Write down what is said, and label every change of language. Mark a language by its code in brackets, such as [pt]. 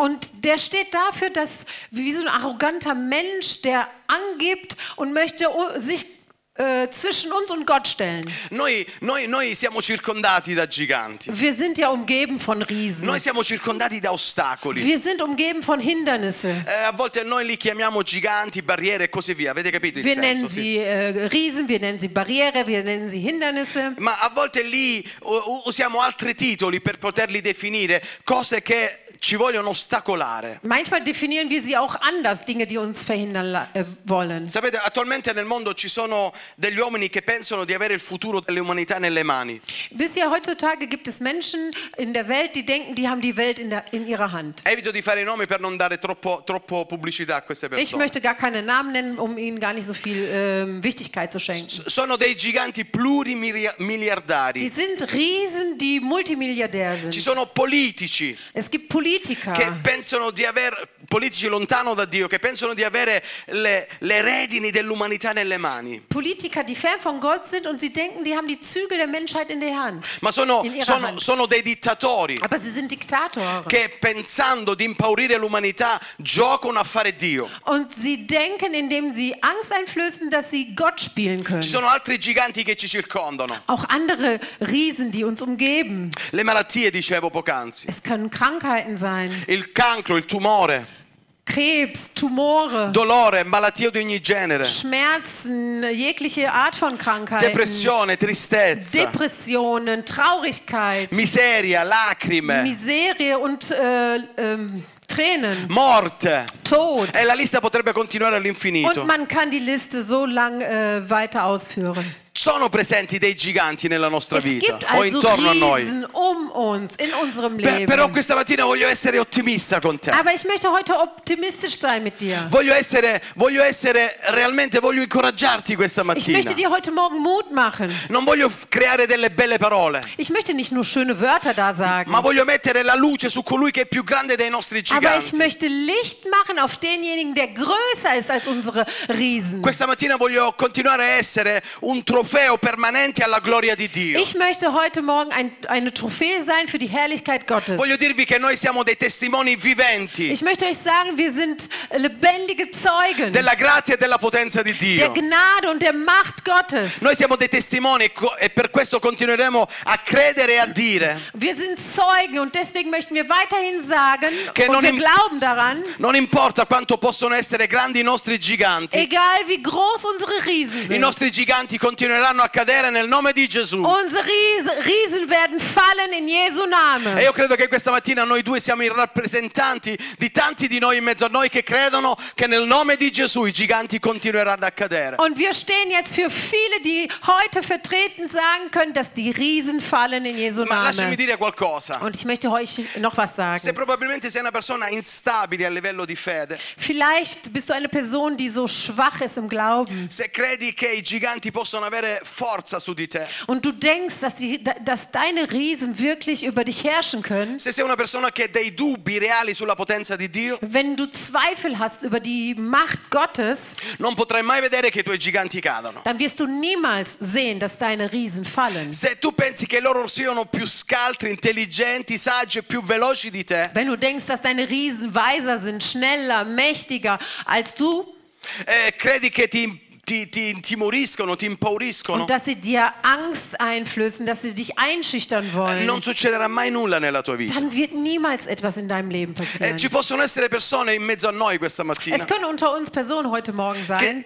[de] Und der steht dafür, dass wie so ein arroganter Mensch, der angibt und möchte sich zwischen uns und Gott stellen. [it] Noi siamo circondati da giganti. [de] Wir sind ja umgeben von Riesen. [it] Noi siamo circondati da ostacoli. [de] Wir sind umgeben von Hindernissen. [it] A volte noi li chiamiamo giganti, barriere e così via. Avete capito il [de] wir [it] senso? [de] Wir nennen sie Riesen, wir nennen sie Barriere, wir nennen sie Hindernisse. [it] Ma a volte lì usiamo altri titoli per poterli definire, cose che ci vogliono ostacolare. [de] Manchmal definieren wir sie auch anders, Dinge, die uns verhindern wollen. [it] Sapete, attualmente nel mondo ci sono degli uomini che pensano di avere il futuro dell'umanità nelle mani. [de] Wisst ihr, heutzutage gibt es Menschen in der Welt, die denken, die haben die Welt in ihrer Hand. [it] Evito di fare i nomi per non dare troppo pubblicità a queste persone. [de] Ich möchte gar keine Namen nennen, um ihnen gar nicht so viel Wichtigkeit zu schenken. [it] Sono dei giganti plurimiliardari. [de] Die sind Riesen, die Multimilliardär sind. [it] Ci sono politici. [de] Es gibt Politiker. [it] Che pensano di avere politici lontano da Dio, che pensano di avere le redini dell'umanità nelle mani. [de] Politiker, die fern von Gott sind und sie denken, die haben die Zügel der Menschheit in der Hand. [it] Ma sono dei dittatori. [de] Aber sie sind Diktatoren. [it] Che pensando di impaurire l'umanità giocano a fare Dio. [de] Und sie denken, indem sie Angst einflößen, dass sie Gott spielen können. [it] Ci sono altri giganti che ci circondano. [de] Auch andere Riesen, die uns umgeben. [it] Le malattie, dicevo poc'anzi. [de] Es können Krankheiten sein. [it] Il cancro, il tumore. [de] Krebs, Tumore, [it] dolore, malattie di ogni genere, [de] Schmerzen, jegliche Art von Krankheiten, [it] Depressione, Tristezza, [de] Depressionen, Traurigkeit, [it] Miseria, Lacrime, [de] Miserie und Tränen, [it] Morte, [de] Tod. [it] E la lista potrebbe continuare all'infinito. [de] Und man kann die Liste so lang weiter ausführen. [it] sono presenti dei giganti nella nostra [de] es [it] vita o intorno [de] Riesen [it] a noi. [de] Uns, in unserem Leben. [it] Però questa mattina voglio essere ottimista con te. [de] Aber ich möchte heute optimistisch sein mit dir. [it] Voglio essere realmente, voglio incoraggiarti questa mattina. [de] Ich möchte dir heute morgen Mut machen. [it] Non voglio creare delle belle parole. [de] Ich möchte nicht nur schöne Wörter da sagen. [it] Ma voglio mettere la luce su colui che è più grande dei nostri giganti. [de] Aber ich möchte Licht machen auf denjenigen, der größer ist als unsere Riesen. [it] Questa mattina voglio continuare a essere un trofeo permanente alla gloria di Dio. [de] Ich möchte heute morgen eine Trophäe sein für die Herrlichkeit Gottes. [it] Voglio dirvi che noi siamo dei testimoni viventi. [de] Ich möchte euch sagen, wir sind lebendige Zeugen. [it] Della grazia e della potenza di Dio. [de] Der Gnade und der Macht Gottes. [it] Noi siamo dei testimoni e per questo continueremo a credere e a dire. [de] Wir sind Zeugen und deswegen möchten wir weiterhin sagen che und wir glauben daran. [it] Non importa quanto possono essere grandi i nostri giganti. [de] Egal wie groß unsere Riesen sind. [it] I nostri giganti continueranno a cadere nel nome di Gesù. [de] Unsere Riesen werden fallen in Jesu Name. [it] E io credo che questa mattina noi due siamo i rappresentanti di tanti di noi in mezzo a noi che credono che nel nome di Gesù i giganti continueranno a cadere. [de] Und wir stehen jetzt für viele, die heute vertreten sagen können, dass die Riesen fallen in Jesu Name. [it] Ma lasciami dire qualcosa. [de] Und ich möchte euch noch was sagen. [it] Se probabilmente sei una persona instabile a livello di fede. [de] Vielleicht bist du eine Person, die so schwach ist im Glauben. [it] Se credi che i giganti possono avere forza su di te. [de] Und du denkst, dass deine Riesen wirklich über dich herrschen können. [it] Se sei una persona che dei dubbi reali sulla potenza di Dio. [de] Wenn du Zweifel hast über die Macht Gottes. [it] Non potrai mai vedere che i tuoi giganti cadano. [de] Dann wirst du niemals sehen, dass deine Riesen fallen. [it] Se tu pensi che loro siano più scaltri, intelligenti, saggi e più veloci di te. [de] Wenn du denkst, dass deine Riesen weiser sind, schneller, mächtiger als du. [it] Credi che ti intimoriscono, ti impauriscono. [de] Und dass sie dir Angst einflößen, dass sie dich einschüchtern wollen. [it] Non succederà mai nulla nella tua vita. [de] Dann wird niemals etwas in deinem Leben passieren. [it] Ci possono essere persone in mezzo a noi questa mattina. [de] Es können unter uns Personen heute morgen sein.